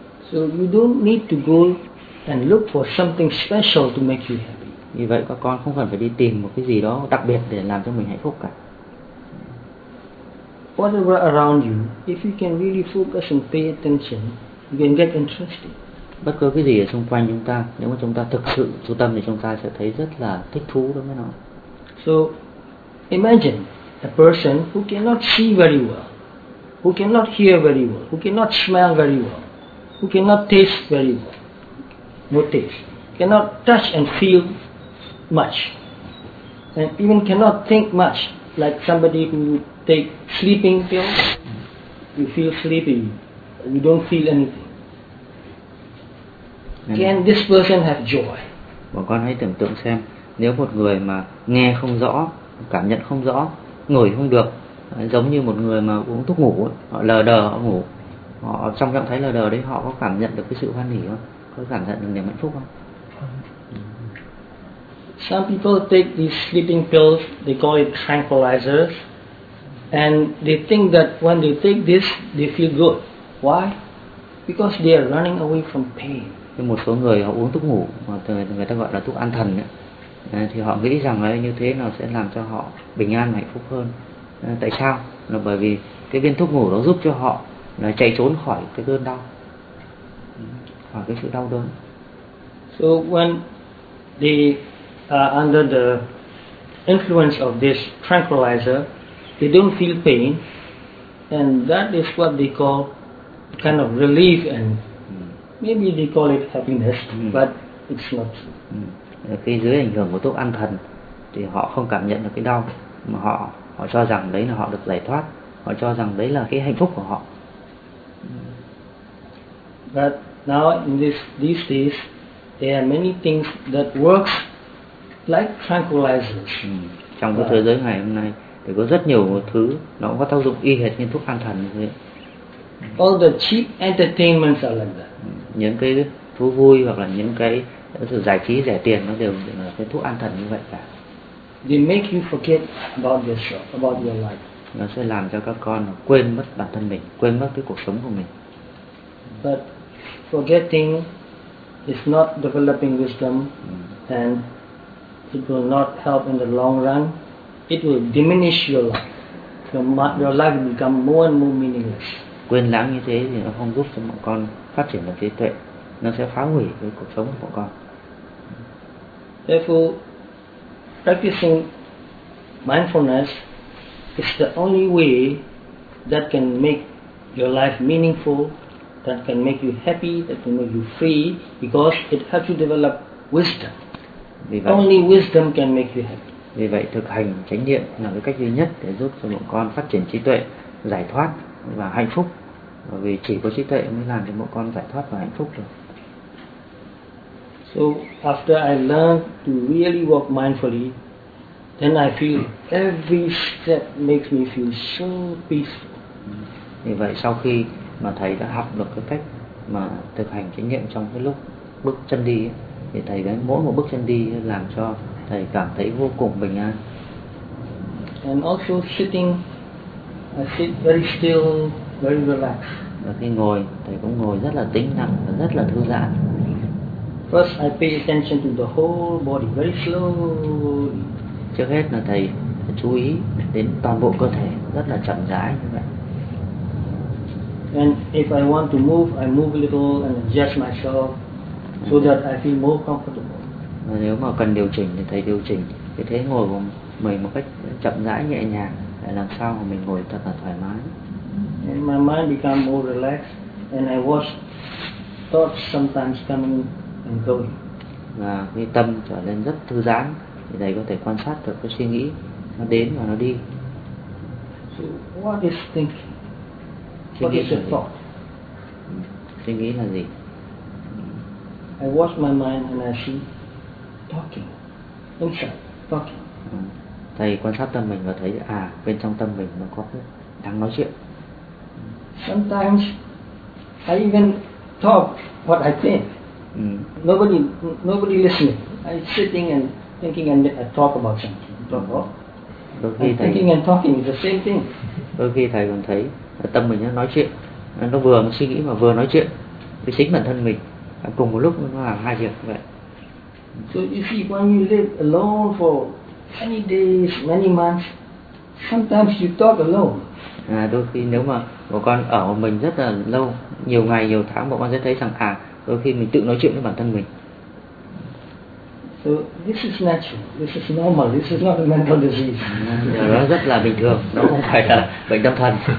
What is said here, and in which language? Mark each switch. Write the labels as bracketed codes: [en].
[en] So you don't need to go and look for something special to make you happy. [vi] Vì vậy các con không cần phải đi tìm một cái gì đó đặc biệt để làm cho mình hạnh phúc cả. [en] Whatever around you, if you can really focus and pay attention, you can get interested. [vi] Bất cứ cái gì ở xung quanh chúng ta, nếu mà chúng ta thực sự chú tâm thì chúng ta sẽ thấy rất là thích thú đối với nó. [en] So imagine a person who cannot see very well, who cannot hear very well, who cannot smell very well, who cannot taste very well, no taste, cannot touch and feel much, and even cannot think much, like somebody who take sleeping pills, you feel sleepy, you don't feel anything. Can this person have joy? [vi] Bọn con hãy tưởng tượng xem, nếu một người mà nghe không rõ, cảm nhận không rõ, ngửi không được, giống như một người mà uống thuốc ngủ, họ lờ đờ, họ ngủ, họ trong trạng thái lờ đờ đấy, họ có cảm nhận được cái sự hoan hỉ không? Có cảm nhận được niềm hạnh phúc không? [en] Some people take these sleeping pills, they call it tranquilizers, and they think that when they take this, they feel good. Why? Because they are running away from pain. [vi] Nhưng một số người họ uống thuốc ngủ, mà người ta gọi là thuốc an thần ấy. Thì họ nghĩ rằng là như thế nó sẽ làm cho họ bình an và hạnh phúc hơn. Tại sao? Là bởi vì cái viên thuốc ngủ nó giúp cho họ là chạy trốn khỏi cái cơn đau, khỏi cái sự đau đớn. [en] So when they are under the influence of this tranquilizer, they don't feel pain, and that is what they call kind of relief, and maybe they call it happiness, but it's not true. [vi] Khi dưới ảnh hưởng của thuốc an thần thì họ không cảm nhận được cái đau, mà họ cho rằng đấy là họ được giải thoát, họ cho rằng đấy là cái hạnh phúc của họ. [en] But now in these days there are many things that works like tranquilizers. [vi] Trong cái thế giới ngày hôm nay thì có rất nhiều thứ nó cũng có tác dụng y hệt như thuốc an thần như thế. [en] All the cheap entertainments are like that. [vi] Những cái thú vui hoặc là những cái sự giải trí rẻ tiền nó đều là cái thuốc an thần như vậy cả. [en] They make you forget about your life. [vi] Nó sẽ làm cho các con quên mất bản thân mình, quên mất cái cuộc sống của mình. [en] But forgetting is not developing wisdom, and it will not help in the long run. It will diminish your life. Your life will become more and more meaningless. [vi] Quên lãng như thế thì nó không giúp cho bọn con phát triển được trí tuệ. Nó sẽ phá hủy cái cuộc sống của bọn con. [en] Therefore, practicing mindfulness is the only way that can make your life meaningful, that can make you happy, that can make you free, because it helps you develop wisdom. Only wisdom can make you happy. [vi] Vì vậy, thực hành chánh niệm là cái cách duy nhất để giúp cho bọn con phát triển trí tuệ, giải thoát và hạnh phúc. Bởi vì chỉ có trí tuệ mới làm cho bọn con giải thoát và hạnh phúc được. [en] So after I learned to really walk mindfully, then I feel every step makes me feel so peaceful. [vi] Vì vậy sau khi mà thầy đã học được cái cách mà thực hành chánh niệm trong cái lúc bước chân đi, thì thầy đến mỗi một bước chân đi làm cho thầy cảm thấy vô cùng bình an. [en] And also sitting, I sit very still, very relaxed. [vi] Và khi ngồi, thầy cũng ngồi rất là tĩnh lặng và rất là thư giãn. [en] First, I pay attention to the whole body very slowly. [vi] Trước hết là thầy chú ý đến toàn bộ cơ thể rất là chậm rãi như vậy. [en] And if I want to move, I move a little and adjust myself so that I feel more comfortable. [vi] Nếu mà cần điều chỉnh thì thầy điều chỉnh cái thế ngồi của mình một cách chậm rãi nhẹ nhàng để làm sao mà mình ngồi thật là thoải mái. [en] And my mind become more relaxed and I watch thoughts sometimes coming and going. [vi] Và cái tâm trở nên rất thư giãn thì đấy có thể quan sát được cái suy nghĩ nó đến và nó đi. [en] So what is thinking? What is a thought? [vi] Suy nghĩ là gì? [en] I watch my mind and I see talking, inside talking. [vi] Thầy quan sát tâm mình và thấy à bên trong tâm mình nó có cái đang nói chuyện. [en] Sometimes I even talk what I think. Nobody listening. I sitting and thinking and talk about something. Thinking and talking is the same thing. [vi] Đôi khi thầy còn thấy tâm mình nó nói chuyện, nó vừa nó suy nghĩ mà vừa nói chuyện với chính bản thân mình, cùng một lúc nó làm hai việc vậy. [en] So you see, when you live alone for many days, many months, sometimes you talk alone. [vi] À, đôi khi nếu mà bọn con ở một mình rất là lâu, nhiều ngày, nhiều tháng, bọn con sẽ thấy rằng à, đôi khi mình tự nói chuyện với bản thân mình. [en] So this is natural, this is normal, this is not a mental disease. [vi] Điều đó rất là bình thường, nó không phải là bệnh tâm thần.